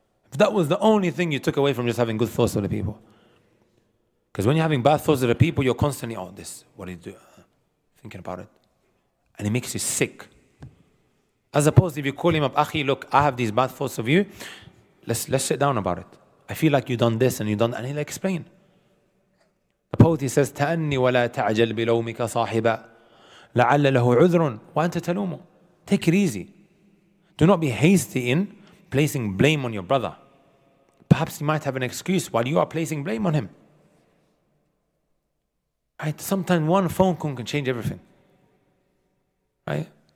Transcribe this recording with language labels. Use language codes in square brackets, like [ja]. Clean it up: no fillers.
[en] If that was the only thing you took away from just having good thoughts of the people. Because when you're having bad thoughts of the people, you're constantly, oh, this, what do you do? Thinking about it. And it makes you sick. As opposed to if you call him up, Akhi, look, I have these bad thoughts of you. Let's sit down about it. I feel like you've done this and you've done that. And he'll explain. The poet, he says, [ar] تَأَنِّي وَلَا تَعْجَلْ بِلَوْمِكَ صَاحِبًا لَعَلَّ لَهُ عُذْرٌ وَأَنْتَ تَلُومُ. [en] Take it easy. Do not be hasty in placing blame on your brother. Perhaps he might have an excuse while you are placing blame on him. Right? Sometimes one phone call can change everything. Right?